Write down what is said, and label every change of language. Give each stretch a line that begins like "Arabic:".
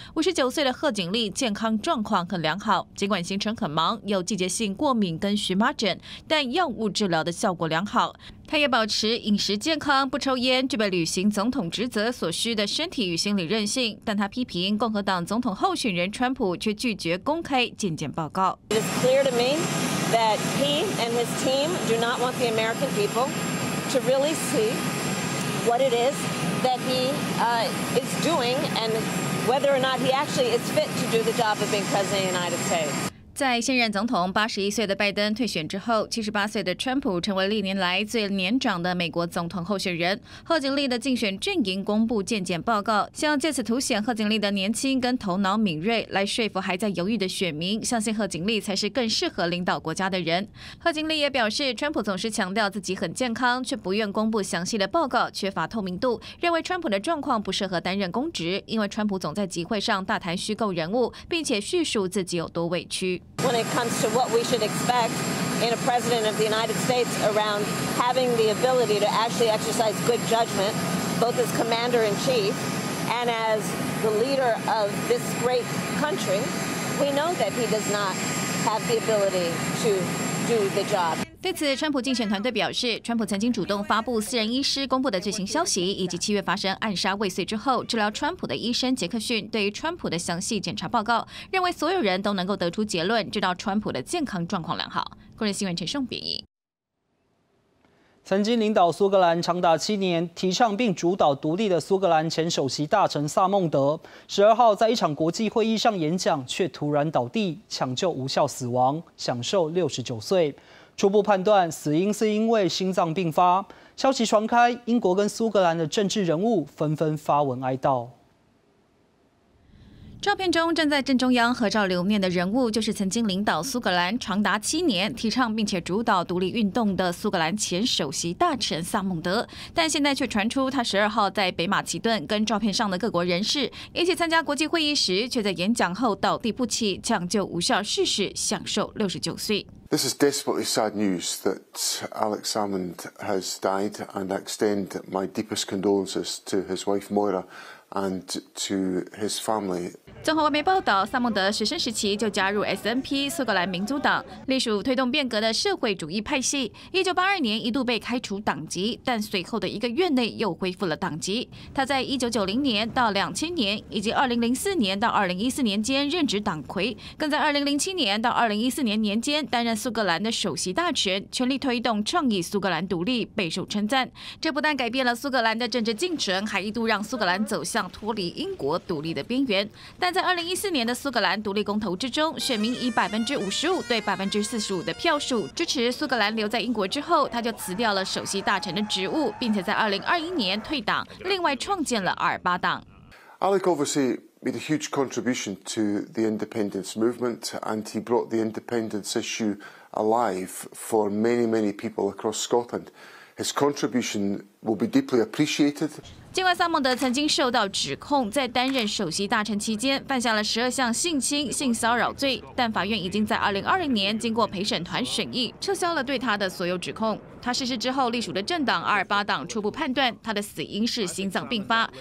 Chinese: 59岁的贺锦丽健康状况很良好，尽管行程很忙，有季节性过敏跟荨麻疹，但药物治疗的效果良好。他也保持饮食健康，不抽烟，具备履行总统职责所需的身体与心理韧性。但他批评共和党总统候选人川普却拒绝公开健检报告。
English: It is clear to me that he and his team do not want the American people to really see what it is that he is doing and whether or not he actually is fit to do the job of being president of the United States.
Chinese: 在现任总统81岁的拜登退选之后，78岁的川普成为历年来最年长的美国总统候选人。贺锦丽的竞选阵营公布健检报告，希望借此凸显贺锦丽的年轻跟头脑敏锐，来说服还在犹豫的选民，相信贺锦丽才是更适合领导国家的人。贺锦丽也表示，川普总是强调自己很健康，却不愿公布详细的报告，缺乏透明度，认为川普的状况不适合担任公职，因为川普总在集会上大谈虚构人物，并且叙述自己有多委屈。
English: When it comes to what we should expect in a president of the United States around having the ability to actually exercise good judgment, both as commander-in-chief and as the leader of this great country, we know that he does not have the ability to do the job.
Chinese: 对此，川普竞选团队表示，川普曾经主动发布私人医师公布的最新消息，以及7月发生暗杀未遂之后，治疗川普的医生杰克逊对于川普的详细检查报告，认为所有人都能够得出结论，知道川普的健康状况良好。国人新闻陈胜编译。曾经领导苏格兰长达7年，提倡并主导独立的苏格兰前首席大臣萨孟德，12号在一场国际会议上演讲，却突然倒地，抢救无效死亡，享受69岁。初步判断死因是因为心脏病发。消息传开，英国跟苏格兰的政治人物纷纷发文哀悼。照片中正在正中央合照留念的人物，就是曾经领导苏格兰长达7年、提倡并且主导独立运动的苏格兰前首席大臣萨孟德。但现在却传出，他12号在北马其顿跟照片上的各国人士一起参加国际会议时，却在演讲后倒地不起，抢救无效逝世，享受69岁。
English: This is desperately sad news that Alex Salmond has died, and I extend my deepest condolences to his wife Moira. And to his family.
Chinese: 综合外媒报道，萨孟德学生时期就加入 SNP 苏格兰民主党，隶属推动变革的社会主义派系。 1982年一度被开除党籍，但随后的一个月内又恢复了党籍。他在1990年到2000年以及2004年到2014年间任职党魁，更在2007年到2014年年间担任苏格兰的首席大臣，全力推动倡议苏格兰独立，备受称赞。这不但改变了苏格兰的政治进程，还一度让苏格兰走向脱离英国独立的边缘，但在2014年的苏格兰独立公投之中，选民以55%对45%的票数支持苏格兰留在英国之后，他就辞掉了首席大臣的职务，并且在2021年退党，另外创建了阿尔巴党。
English: Alec obviously made a huge contribution to the independence movement, and he brought the independence issue alive for many, many people across Scotland. His contribution will be deeply appreciated.
Chinese: 尽管萨蒙德曾经受到指控，在担任首席大臣期间犯下了12项性侵、性骚扰罪，但法院已经在2020年经过陪审团审议，撤销了对他的所有指控。他逝世之后，隶属的政党阿尔巴党初步判断他的死因是心脏病发。